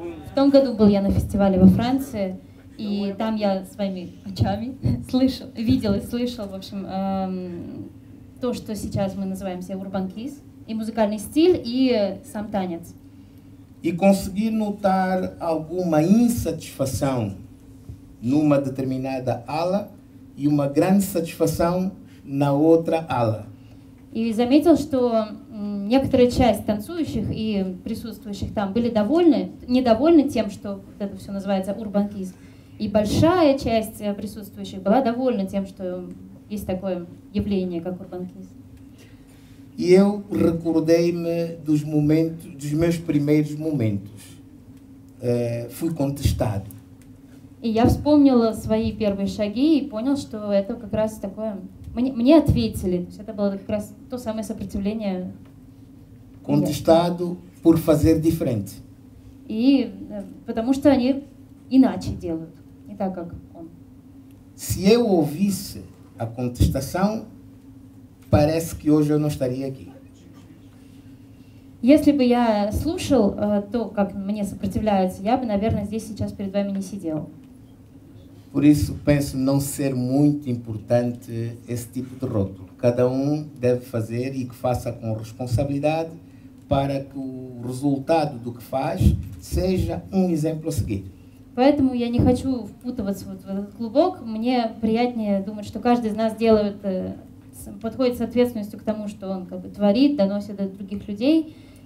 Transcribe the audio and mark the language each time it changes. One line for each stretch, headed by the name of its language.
Russian: В том году был я на фестивале во Франции, и там я своими очами видел и слышал, в общем, то, что сейчас мы называем себя Urban Kiss, и музыкальный стиль, и сам танец.
Portuguese: И consegui notar alguma insatisfação numa determinada ala e uma grande satisfação na outra ala.
Russian: E заметил, что некоторая часть танцующих и присутствующих там были довольны, недовольны тем, что вот это все называется urban kiss. И большая часть присутствующих была довольна тем, что есть такое явление, как urban kiss.
Portuguese: E eu recordei-me dos momentos, dos meus primeiros momentos. Fui contestado.
Russian: И я вспомнила свои первые шаги и понял, что это как раз такое... Мне ответили. То есть это было как раз то самое сопротивление.
Portuguese: Contestado por fazer diferente.
Russian: И потому что они иначе делают, не так, как он.
Portuguese: Se eu ouvisse a contestação, parece que hoje eu não estaria aqui.
Russian: Если бы я слушал то, как мне сопротивляются, я бы, наверное, здесь сейчас перед вами не сидел.
Portuguese: Por isso penso não ser muito importante esse tipo de rótulo. Cada deve fazer e que faça com responsabilidade, para que o resultado do que faz seja um exemplo a seguir.
Russian: Поэтому я не хочу впутываться вот в этот клубок. Мне приятнее думать, что каждый из нас делает, подходит с ответственностью к тому, что он как бы творит, доносит до других людей.